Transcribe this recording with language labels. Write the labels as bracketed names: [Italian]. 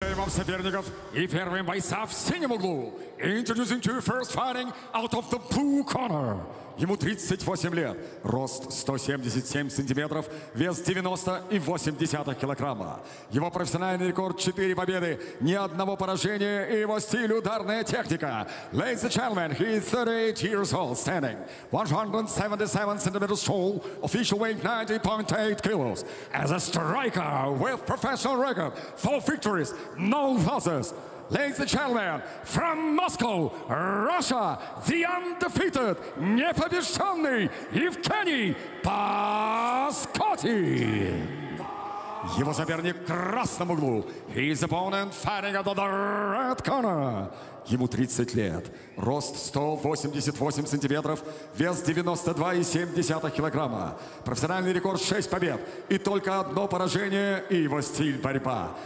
[Russian] вам соперников и первые бойца в синем углу. [English] Introducing to you first fighting out of the blue corner. [Russian] Ему 38 лет, рост 177 сантиметров, вес 90,8 килограмма. Его профессиональный рекорд 4 победы, ни одного поражения и его стиль ударная техника. [English] Ladies and gentlemen, he is 38 years old, standing 177 centimeters tall, official weight 90.8 kilos. As a striker with professional record, 4 victories, no losses. Ladies and gentlemen, from Moscow, Russia, the undefeated, [Russian] непобежденный [English] Евгений Паскотти. [Russian] Его соперник в красном углу. [English] His opponent fighting out of the red corner. [Russian] Ему 30 лет, рост 188 сантиметров, вес 92,7 килограмма. Профессиональный рекорд 6 побед и только одно поражение и его стиль борьба.